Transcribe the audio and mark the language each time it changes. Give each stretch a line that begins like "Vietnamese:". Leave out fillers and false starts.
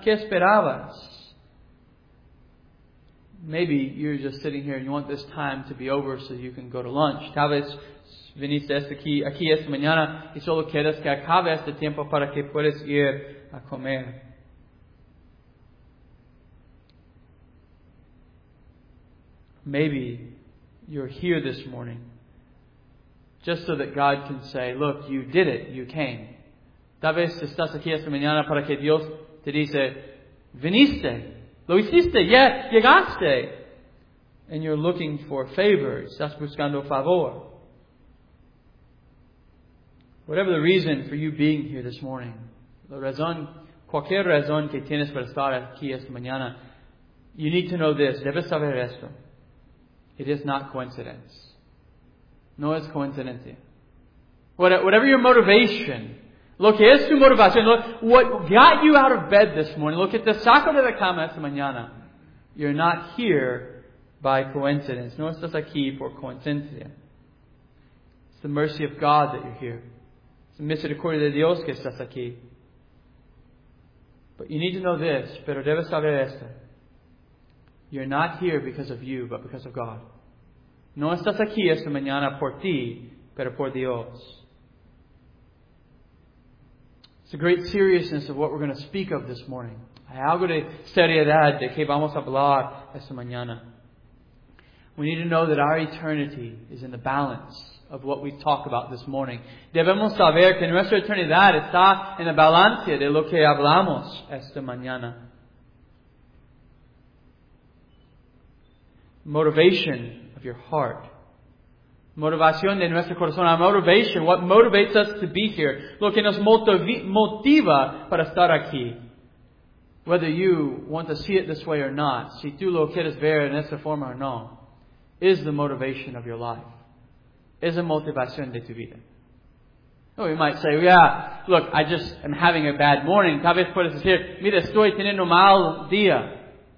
Spanish: ¿Qué esperabas?
English: Maybe you're just sitting here and you want this time to be over so you can go to lunch.
Spanish: Tal vez viniste aquí esta mañana y solo quieres que acabe este tiempo para que puedas ir a comer.
English: Maybe you're here this morning just so that God can say, look, you did it, you came.
Spanish: Tal vez estás aquí esta mañana para que Dios te dice, viniste, lo hiciste, yeah, llegaste.
English: And you're looking for favor,
Spanish: estás buscando favor.
English: Whatever the reason for you being here this morning,
Spanish: la razón, cualquier razón que tienes para estar aquí esta mañana,
English: you need to know this,
Spanish: debes saber esto.
English: It is not coincidence.
Spanish: No es coincidencia.
English: Whatever your motivation,
Spanish: lo que es tu motivación,
English: what got you out of bed this morning,
Spanish: lo que te sacó de la cama esta mañana,
English: you're not here by coincidence.
Spanish: No estás aquí por coincidencia.
English: It's the mercy of God that you're here. It's the
Spanish: misericordia de Dios que estás aquí.
English: But you need to know this,
Spanish: pero debes saber esto.
English: You're not here because of you, but because of God.
Spanish: No estás aquí esta mañana por ti, pero por Dios.
English: It's a great seriousness of what we're going to speak of this morning.
Spanish: Hay algo de seriedad de que vamos a hablar esta mañana.
English: We need to know that our eternity is in the balance of what we talk about this morning.
Spanish: Debemos saber que nuestra eternidad está en la balanza de lo que hablamos esta mañana.
English: Motivation of your heart.
Spanish: Motivación de nuestro corazón.
English: Our motivation. What motivates us to be here.
Spanish: Lo que nos motiva para estar aquí.
English: Whether you want to see it this way or not.
Spanish: Si tú lo quieres ver en esta forma o no.
English: Is the motivation of your life. Is the
Spanish: motivación de tu vida.
English: Oh, you might say, yeah, look, I just am having a bad morning.
Spanish: Tal vez puedes decir, mira, estoy teniendo mal día.